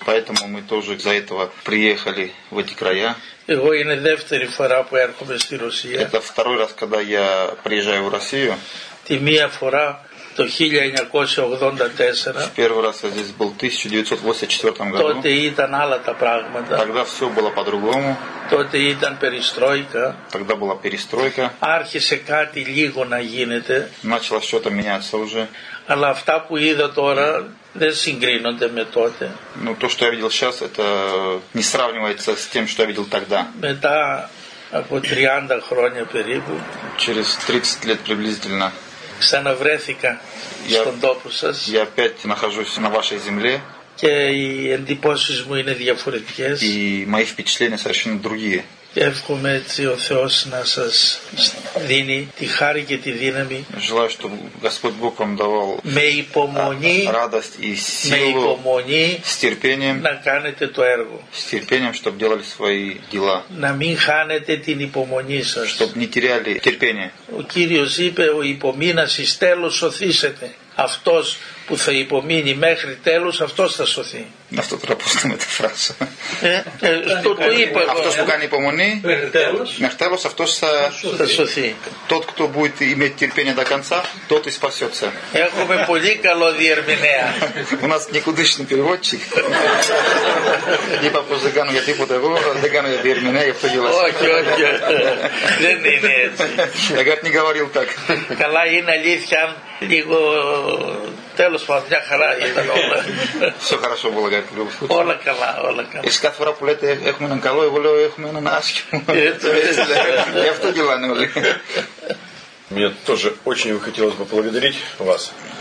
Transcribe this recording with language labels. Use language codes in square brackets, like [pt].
[ru] Поэтому мы тоже из-за этого приехали в эти края. [el] Εγώ είναι δεύτερη φορά που έρχομαι στη Ρωσία. [ru] Это второй раз, когда я приезжаю в Россию. [el] Τη μία φορά το 1984. [ru] В первый раз я здесь был в 1984 году. [el] Τότε ήταν άλλα τα πράγματα. [ru] Тогда все было по-другому. [el] Τότε ήταν περιστρόικα. [ru] Тогда была перестройка. [el] Άρχισε κάτι λίγο να γίνεται. [ru] Началось что-то меняться уже. [el] Αλλά αυτά που είδα τώρα δεν συγκρίνονται με τότε. [ru] Ну то, что я видел сейчас, это не сравнивается с тем, что я видел тогда. [el] Μετά από 30 χρόνια περίπου. [ru] Через 30 лет приблизительно. [el] Ξαναβρέθηκα στον τόπο σας. [ru] Я опять нахожусь на вашей земле. [el] Και οι εντυπώσεις μου είναι διαφορετικές. [ru] И мои впечатления совершенно другие. [el] Εύχομαι έτσι ο Θεός να σας δίνει τη χάρη και τη δύναμη. [ru] Желаю, чтобы Господь Бог вам давал [el] με υπομονή, [ru] радость и силу, [el] με υπομονή, [ru] с терпением, [el] να κάνετε το έργο. [ru] С терпением, чтобы делали свои дела. [el] Να μην χάνετε την υπομονή σας. [ru] Чтобы не теряли терпение. [el] Ο Κύριος είπε, ο υπομείνας εις τέλος σωθήσετε. Αυτός που θα υπομείνει μέχρι τέλους, αυτός θα σωθεί. Αυτό τώρα πώς το μεταφράσω. Το είπα εγώ. Αυτός που κάνει υπομονή, μέχρι τέλους, αυτός θα σωθεί. [ru] Тот, кто будет иметь терпение до конца, тот и спасется. [el] Έχουμε πολύ καλό διερμηνέα. [ru] У нас никудышный переводчик. Либо просто [el] δεν κάνω για τίποτα εγώ, δεν κάνω για διερμηνέα, γι' αυτό γελάς. Όχι, όχι. Δεν είναι έτσι. [ru] Я как не говорил так. [el] Καλά είναι αλήθεια, λίγο... Τέλος πάντων, μια χαρά ήταν όλα. [ru] Все хорошо было, говорит, в любом случае. [el] Όλα καλά, όλα καλά. [ru] И с каждой раз, когда [el] έχουμε έναν καλό, εγώ λέω, έχουμε έναν άσχημο. Γι' αυτό γελάνε όλοι. [ru] Мне тоже очень бы хотелось бы поблагодарить вас.